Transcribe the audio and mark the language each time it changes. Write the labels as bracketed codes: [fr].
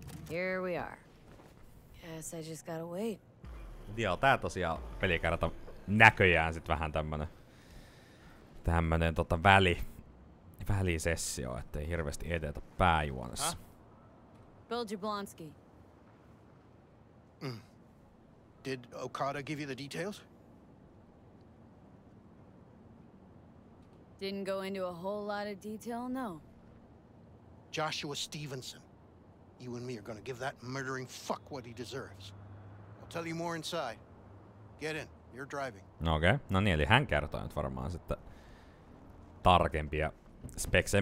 [en] Here we are. Guess I just gotta wait. [fi] Joo, tää tosiaan pelikerta näköjään sit vähän tämmönen tota välisessio, ettei hirveesti edetä pääjuonessa. [en] Huh? Bill Jablonski. Mm. Did Okada give you the details? Didn't go into a whole lot of detail, no. Joshua Stevenson. You and me are gonna give that murdering fuck what he deserves. I'll tell you more inside. Get in. You're driving. Okei. Okay. [fi] No niin, eli hän kertoi nyt varmaan sitten tarkempia speksejä.